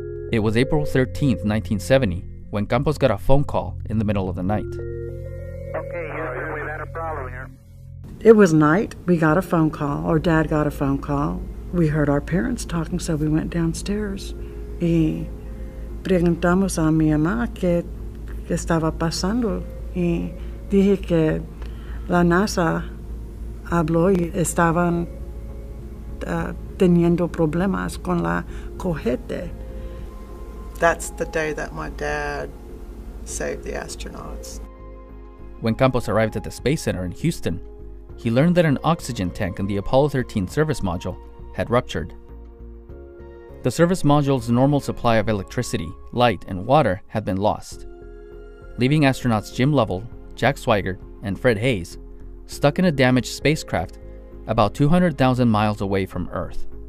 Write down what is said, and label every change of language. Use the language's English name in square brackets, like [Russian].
[English] It was April 13, 1970, when Campos got a phone call in the middle of the night. Okay, we've had a problem here. It was night. We got a phone call. Our dad got a phone call. We heard our parents talking, so we went downstairs. [Spanish] Y preguntamos a mi mamá qué estaba pasando. Y dije que la NASA habló y estaban teniendo problemas con la cohete. [English] That's the day that my dad saved the astronauts. When Campos arrived at the Space Center in Houston, he learned that an oxygen tank in the Apollo 13 service module had ruptured. The service module's normal supply of electricity, light, and water had been lost, leaving astronauts Jim Lovell, Jack Swigert, and Fred Hayes stuck in a damaged spacecraft about 200,000 miles away from Earth.